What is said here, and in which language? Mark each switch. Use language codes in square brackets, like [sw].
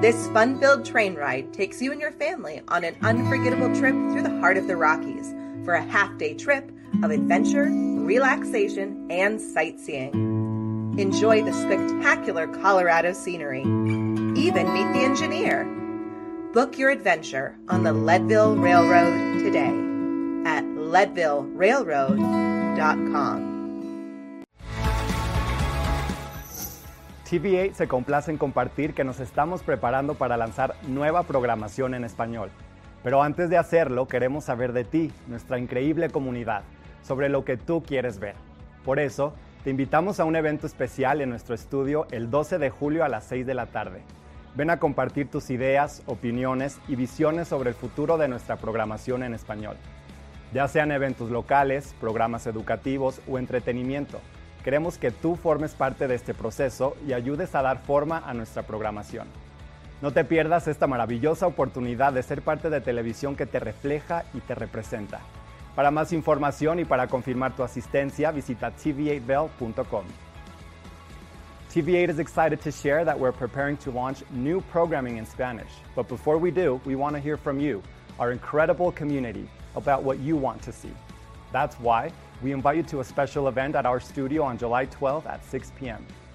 [en] This fun-filled train ride takes you and your family on an unforgettable trip through the heart of the Rockies for a half-day trip of adventure, relaxation, and sightseeing. Enjoy the spectacular Colorado scenery. Even meet the engineer. Book your adventure on the Leadville Railroad today at leadvillerailroad.com. [es] TV8 se complace en compartir que nos estamos preparando para lanzar nueva programación en español. Pero antes de hacerlo, queremos saber de ti, nuestra increíble comunidad, sobre lo que tú quieres ver. Por eso, te invitamos a un evento especial en nuestro estudio el 12 de julio a las 6 de la tarde. Ven a compartir tus ideas, opiniones y visiones sobre el futuro de nuestra programación en español. Ya sean eventos locales, programas educativos o entretenimiento, queremos que tú formes parte de este proceso y ayudes a dar forma a nuestra programación. No te pierdas esta maravillosa oportunidad de ser parte de televisión que te refleja y te representa. Para más información y para confirmar tu asistencia, visita tv8bell.com. [en] TV8 is excited to share that we're preparing to launch new programming in Spanish. But before we do, we want to hear from you, our incredible community, about what you want to see. That's why we invite you to a special event at our studio on July 12th at 6 p.m.